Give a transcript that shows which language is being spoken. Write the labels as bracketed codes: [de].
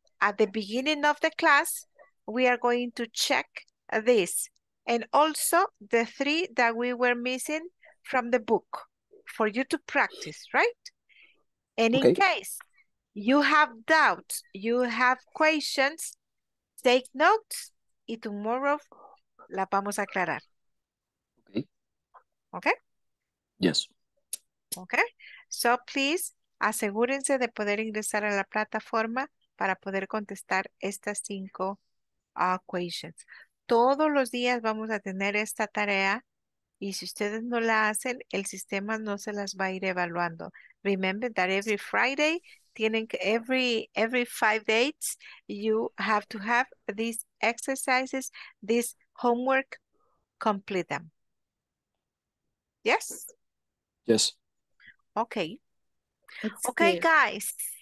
[en] At the beginning of the class, we are going to check this and also the 3 that we were missing from the book for you to practice, right? And okay. In case you have doubts, you have questions, take notes y tomorrow [es] la vamos a aclarar. [en] Okay. Okay? Yes. Okay. So please, [es] asegúrense de poder ingresar a la plataforma para poder contestar estas 5 questions. Todos los días vamos a tener esta tarea y si ustedes no la hacen, el sistema no se las va a ir evaluando. [en] Remember that every Friday, [es] tienen que, [en] every 5 days, you have to have these exercises, this homework, complete them. Yes? Yes. Okay. Okay, guys.